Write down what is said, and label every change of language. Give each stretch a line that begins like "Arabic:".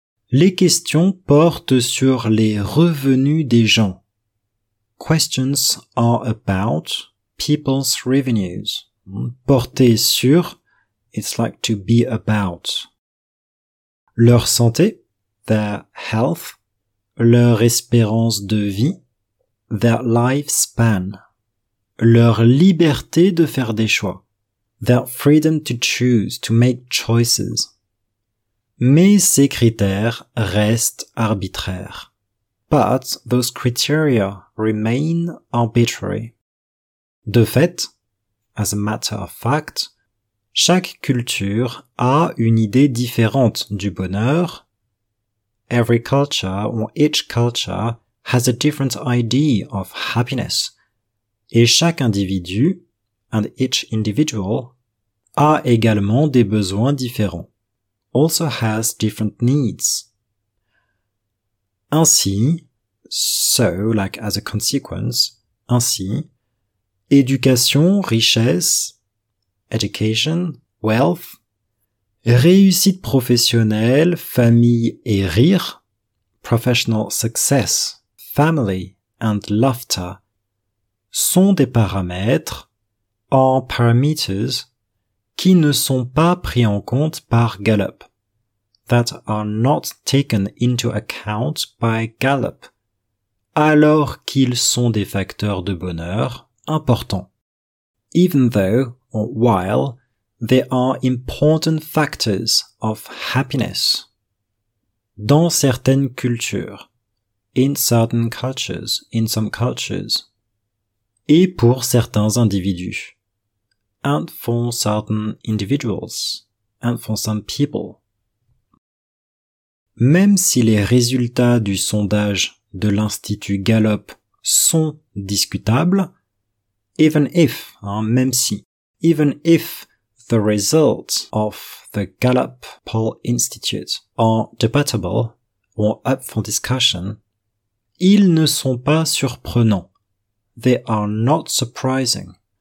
French: Les questions portent sur les revenus des gens.
English: Questions are about people's revenues,
French: porter sur,
English: it's like to be about.
French: Leur santé,
English: their health,
French: leur espérance de vie,
English: their lifespan,
French: leur liberté de faire des choix,
English: their freedom to choose, to make choices.
French: Mais ces critères restent arbitraires.
English: But those criteria remain arbitrary.
French: De fait,
English: as a matter of fact,
French: chaque culture a une idée différente du bonheur.
English: Every culture or each culture has a different idea of happiness.
French: Et chaque individu,
English: and each individual,
French: a également des besoins différents.
English: Also has different needs. Ainsi, so, like as a consequence,
French: ainsi, éducation, richesse,
English: education, wealth,
French: réussite professionnelle, famille et rire,
English: professional success, family and laughter,
French: sont des paramètres,
English: or parameters,
French: qui ne sont pas pris en compte par Gallup,
English: that are not taken into account by Gallup,
French: alors qu'ils sont des facteurs de bonheur importants.
English: Even though, or while, they are important factors of happiness.
French: Dans certaines cultures,
English: in certain cultures, in some cultures,
French: et pour certains individus,
English: and for certain individuals, and for some people.
French: Même si les résultats du sondage de l'Institut Gallup sont discutables,
English: even if,
French: hein, même si,
English: even if the results of the Gallup Poll Institute are debatable or up for discussion,
French: ils ne sont pas surprenants.
English: They are not surprising.